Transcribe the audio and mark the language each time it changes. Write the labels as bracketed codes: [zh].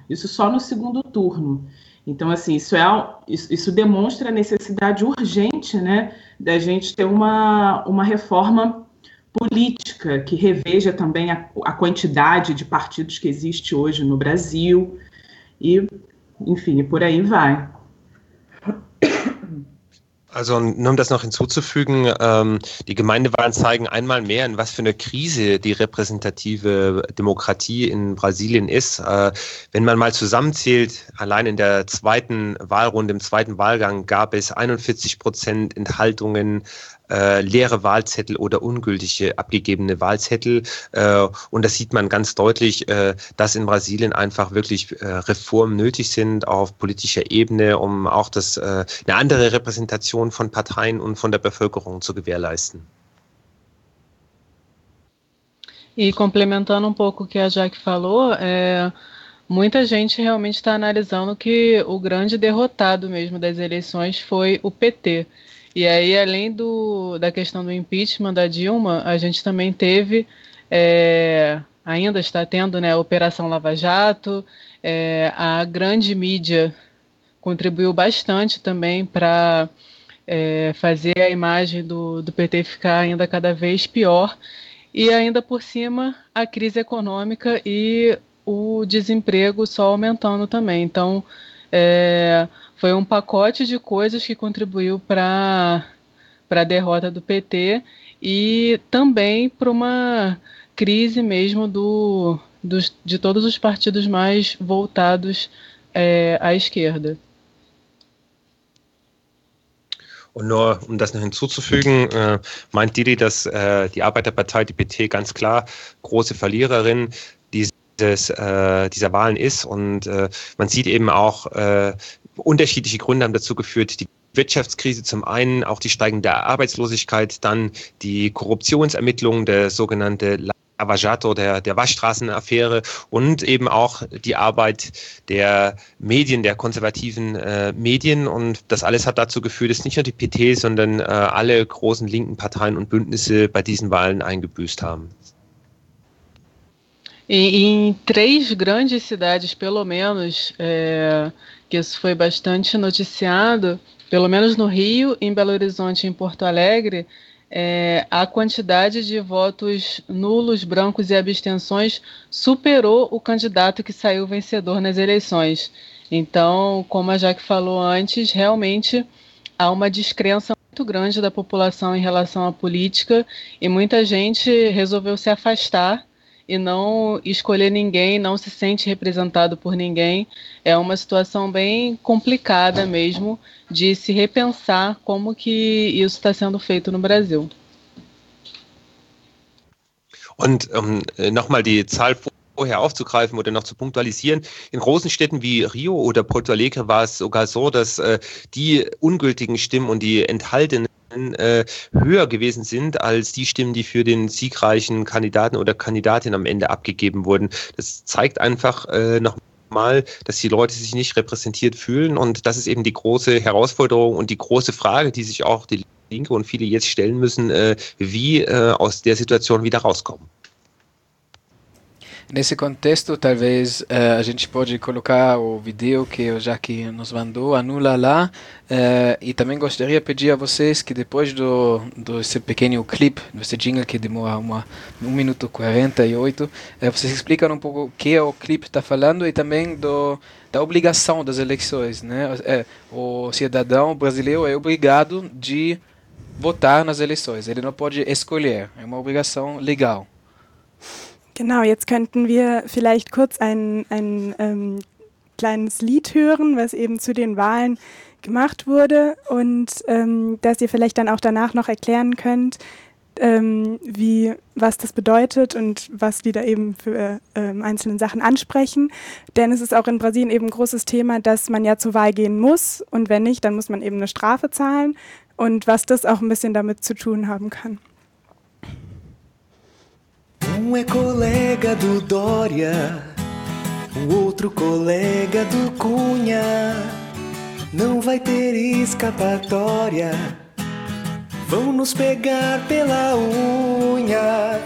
[pt] Isso só no segundo turno. Então, assim, isso demonstra a necessidade urgente, né, da gente ter uma reforma política que reveja também a quantidade de partidos que existe hoje no Brasil e, enfim, por aí vai. [de] Also, nur um das noch hinzuzufügen, die Gemeindewahlen zeigen einmal mehr, in was für eine Krise die repräsentative Demokratie in Brasilien ist. Wenn man mal zusammenzählt, allein in der zweiten Wahlrunde, im zweiten Wahlgang, gab es 41% Enthaltungen, leere Wahlzettel oder ungültige abgegebene Wahlzettel. Und das sieht man ganz deutlich, dass in Brasilien einfach wirklich Reformen nötig sind auf politischer Ebene, um auch das eine andere Repräsentation von Parteien und von der Bevölkerung zu gewährleisten. [pt] E complementando um pouco o que a Jack falou, muita gente realmente está analisando que o grande derrotado mesmo das eleições foi o PT. E aí, além da questão do impeachment da Dilma, a gente também teve, ainda está tendo, né, a Operação Lava Jato. A grande mídia contribuiu bastante também para, fazer a imagem do PT ficar ainda cada vez pior. E ainda por cima, a crise econômica e o desemprego só aumentando também. Então, foi um pacote de coisas que contribuiu para a derrota do PT e também para uma crise mesmo de todos os partidos mais voltados, à esquerda. [de] Und nur um das noch hinzuzufügen, meint Didi, dass die Arbeiterpartei, die PT, ganz klar große Verliererin dieser Wahlen ist. Und man sieht eben auch, unterschiedliche Gründe haben dazu geführt, die Wirtschaftskrise zum einen, auch die steigende Arbeitslosigkeit, dann die Korruptionsermittlungen, der sogenannte Lava Jato, der Waschstraßenaffäre und eben auch die Arbeit der Medien, der konservativen Medien. Und das alles hat dazu geführt, dass nicht nur die PT, sondern alle großen linken Parteien und Bündnisse bei diesen Wahlen eingebüßt haben. [pt] Em três grandes cidades, pelo menos, que isso foi bastante noticiado, pelo menos no Rio, em Belo Horizonte e em Porto Alegre, a quantidade de votos nulos, brancos e abstenções superou o candidato que saiu vencedor nas eleições. Então, como a Jaque falou antes, realmente há uma descrença muito grande da população em relação à política e muita gente resolveu se afastar e não escolher ninguém, não se sente representado por ninguém. É uma situação bem complicada mesmo de se repensar como que isso está sendo feito no Brasil. [de] Und nochmal die Zahl vorher aufzugreifen oder noch zu punktualisieren. In großen Städten wie Rio oder Porto Alegre war es sogar so, dass die ungültigen Stimmen und die enthaltenen höher gewesen sind als die Stimmen, die für den siegreichen Kandidaten oder Kandidatin am Ende abgegeben wurden. Das zeigt einfach nochmal, dass die Leute sich nicht repräsentiert fühlen. Und das ist eben die große Herausforderung und die große Frage, die sich auch die Linke und viele jetzt stellen müssen, wie aus der Situation wieder rauskommen. [pt] Nesse contexto, talvez a gente pode colocar o vídeo que o Jaque nos mandou, Anula Lá, e também gostaria de pedir a vocês que depois do esse pequeno clip, desse jingle que demora 1 minuto 48, vocês explicam um pouco o que o clipe está falando e também da obrigação das eleições, né? O cidadão brasileiro é obrigado de votar nas eleições, ele não pode escolher, é uma obrigação legal. [de] Genau, jetzt könnten wir vielleicht kurz ein kleines Lied hören, was eben zu den Wahlen gemacht wurde und das ihr vielleicht dann auch danach noch erklären könnt, was das bedeutet und was die da eben für einzelne Sachen ansprechen. Denn es ist auch in Brasilien eben ein großes Thema, dass man ja zur Wahl gehen muss und wenn nicht, dann muss man eben eine Strafe zahlen und was das auch ein bisschen damit zu tun haben kann. [pt] Um é colega do Dória, o outro colega do Cunha. Não vai ter escapatória, vão nos pegar pela unha.